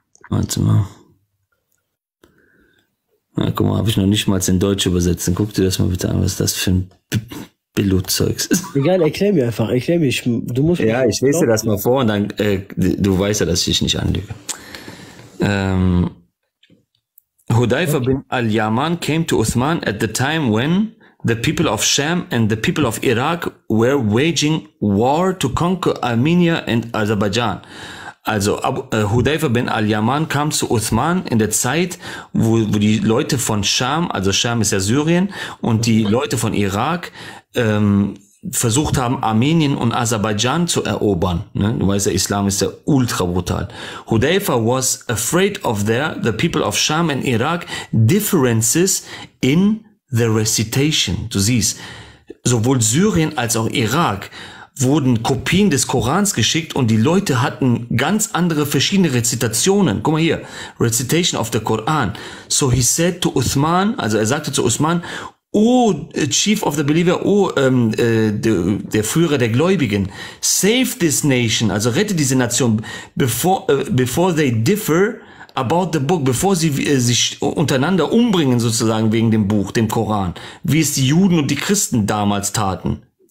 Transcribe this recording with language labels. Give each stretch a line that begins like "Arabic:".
German: Warte mal. Na, guck mal, habe ich noch nicht mal in Deutsch übersetzt. Dann guck dir das mal bitte an, was das für ein Billo-Zeugs ist. Egal, erklär mir. Du musst ja, ich lese dir das mal vor und dann, du weißt ja, dass ich dich nicht anlüge.
English: Hudayfa bin al-Yaman came to Uthman at the time when the people of Sham and the people of Iraq were waging war to conquer Armenia and Azerbaijan.
German: Also Hudayfa bin al-Yaman kam zu Uthman in der Zeit, wo die Leute von Sham, also Sham ist ja Syrien, und die Leute von Irak versucht haben, Armenien und Aserbaidschan zu erobern. Du weißt ja, Islam ist ja ultra brutal.
English: Hudayfa was afraid of the people of Sham and Iraq differences in the recitation.
German: Du siehst, sowohl Syrien als auch Irak wurden Kopien des Korans geschickt und die Leute hatten ganz andere verschiedene Rezitationen. Guck mal hier,
English: Recitation of the Quran. So he said to Uthman,
German: also er sagte zu Uthman, oh,
English: Chief of the Believer,
German: der Führer der Gläubigen,
English: save this nation,
German: also rette diese Nation,
English: before they differ about the book,
German: bevor sie sich untereinander umbringen sozusagen wegen dem Buch, dem Koran, wie es die Juden und die Christen damals taten.